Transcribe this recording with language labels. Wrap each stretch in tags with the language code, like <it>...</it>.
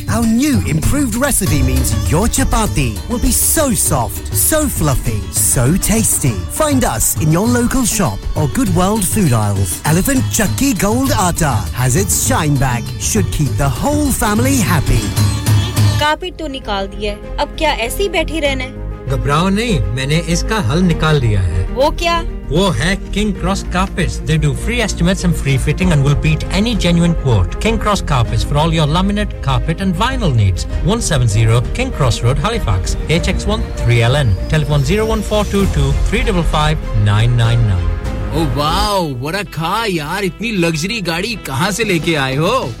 <en>Our new improved recipe means your chapati will be so soft, so fluffy, so tasty. Find us in your local shop or Good World Food Aisles. Elephant Chakki Gold Atta has its shine back. Should keep the whole family happy.</en> <hi>Carpet तो निकाल दिया है अब क्या ऐसे ही बैठी रहना है घबराओ नहीं मैंने इसका हल निकाल दिया है वो क्या Wo hai</hi> <en>King Cross Carpets. They do free estimates and free fitting and will beat any genuine quote. King Cross Carpets for all your laminate, carpet and vinyl needs. 170 King Cross Road, Halifax. HX1 3LN. Telephone 01422</en> <hi>355 999.</hi> <en>Oh wow, what a car,</en> <hi>yaar. Itni luxury gaadi kahan se leke aaye ho?</hi>